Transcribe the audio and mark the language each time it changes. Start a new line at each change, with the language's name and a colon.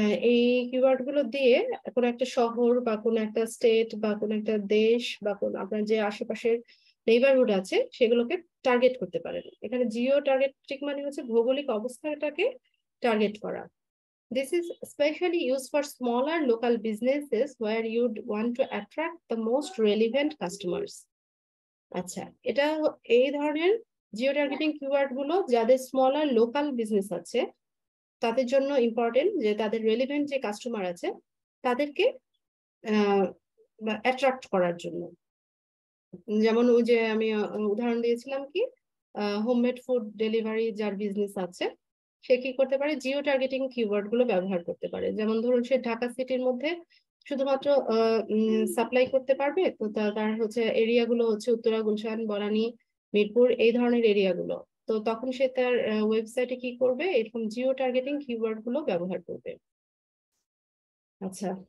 Bangla: এই কিওয়ার্ডগুলো দিয়ে কোনো একটা শহর বা কোনো একটা স্টেট বা কোনো একটা দেশ বা কোনো আপনার যে আশেপাশের নেইবারহুড আছে সেগুলোকে টার্গেট করতে পারেন এখানে জিও টার্গেটিং মানে হচ্ছে ভৌগোলিক অবস্থাটাকে Target for us.
English: This is especially used for smaller local businesses where you'd want to attract the most relevant customers.
Bangla: আচ্ছা এটা এই ধরনের জিও টার্গেটিং কিওয়ার্ডগুলো যাদের স্মলার লোকাল বিজনেস আছে তাদের জন্য ইম্পর্টেন্ট যে তাদের রেলিভেন্ট যে কাস্টমার আছে তাদেরকে অ্যাট্রাক্ট করার জন্য যেমন ওই যে আমি উদাহরণ দিয়েছিলাম কি হোমমেড ফুড ডেলিভারি যার বিজনেস আছে সে কি করতে পারে জিও টার্গেটিং কিওয়ার্ড গুলো ব্যবহার করতে পারে যেমন ধরুন সে ঢাকা সিটির মধ্যে শুধুমাত্র সাপ্লাই করতে পারবে তো তার হচ্ছে এরিয়া গুলো হচ্ছে উত্তরা গুলশান বনানী মিরপুর এই ধরনের এরিয়া গুলো তো তখন সে তার ওয়েবসাইটে কি করবে এরকম জিও টার্গেটিং কিওয়ার্ড গুলো ব্যবহার করবে আচ্ছা